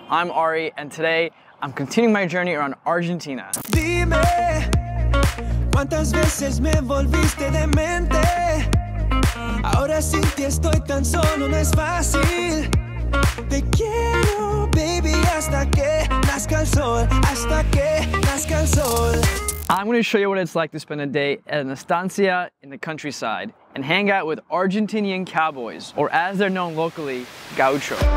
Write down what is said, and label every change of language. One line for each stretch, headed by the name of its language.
English: I'm Ari, and today I'm continuing my journey around Argentina.
Spanish: Dime, ¿cuántas veces me volviste de mente? Ahora sin ti estoy tan solo, no es fácil. Te quiero, baby, hasta que nazca el sol, hasta que nazca el sol.
English: I'm going to show you what it's like to spend a day at an estancia in the countryside and hang out with Argentinian cowboys, or as they're known locally, gaucho.